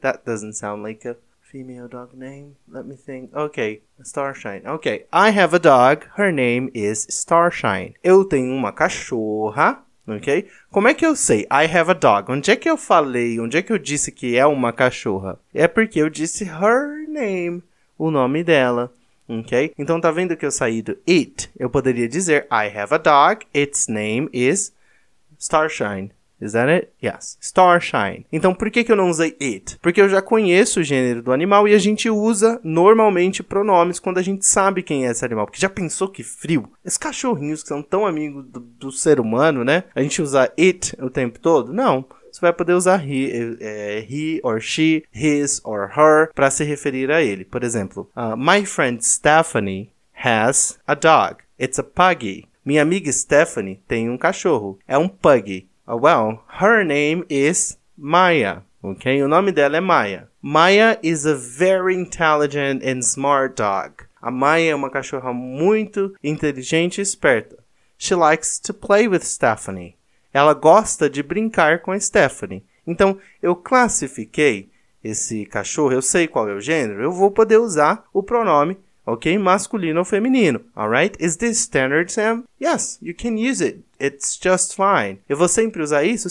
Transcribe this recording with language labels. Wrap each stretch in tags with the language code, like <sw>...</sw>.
<en>That doesn't sound like a female dog name. Let me think. Ok, Starshine. Ok, I have a dog, her name is Starshine.</en> <pt>Eu tenho uma cachorra. Ok? Como é que eu sei</pt> <en>I have a dog?</en> <pt>Onde é que eu falei? Onde é que eu disse que é uma cachorra? É porque eu disse her name, o nome dela. Ok? Então, tá vendo que eu saí do it? Eu poderia dizer</pt> <en>I have a dog, its name is Starshine. Is that it? Yes. Starshine.</en> <pt>Então, por que, que eu não usei it? Porque eu já conheço o gênero do animal e a gente usa normalmente pronomes quando a gente sabe quem é esse animal. Porque já pensou que frio? Esses cachorrinhos que são tão amigos do ser humano, né? A gente usa it o tempo todo? Não. Você vai poder usar he or she, his or her para se referir a ele. Por exemplo,</pt> <en>my friend Stephanie has a dog. It's a puggy.</en> <pt>Minha amiga Stephanie tem um cachorro. É um puggy.</pt> <en>Well, her name is Maya, ok?</en> <pt>O nome dela é Maya.</pt> <en>Maya is a very intelligent and smart dog.</en> <pt>A Maya é uma cachorra muito inteligente e esperta.</pt> <en>She likes to play with Stephanie.</en> <pt>Ela gosta de brincar com a Stephanie. Então, eu classifiquei esse cachorro, eu sei qual é o gênero, eu vou poder usar o pronome, ok? Masculino ou feminino, alright?</pt> <en>Is this standard, Sam? Yes, you can use it. It's just fine.</en> <pt>Eu vou sempre usar isso?</pt>